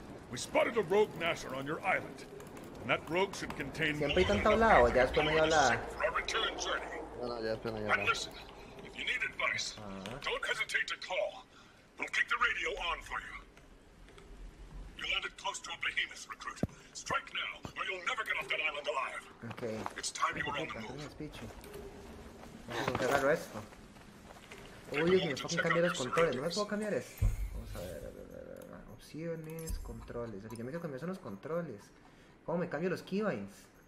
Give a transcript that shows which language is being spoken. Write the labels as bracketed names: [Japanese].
[English] We spotted a rogue gnasher on your island. And that rogue should contain... [Spanish] Siempre hay tanto hablado, ya después me voy a hablar. Bueno, ya después me voy a hablar. [English] If you need advice, don't hesitate to call. We'll kick the radio on for you. You landed close to a behemoth recruit. Strike now, or you'll never get off that island alive. Okay. It's time you were on the move. [Spanish] Vamos a agarrar esto. Uy, me puedo cambiar los controles. No me puedo cambiar esto. Vamos a ver. Opciones, controles. Aquí yo me quiero cambiar son los controles. ¿Cómo me cambio los keybinds?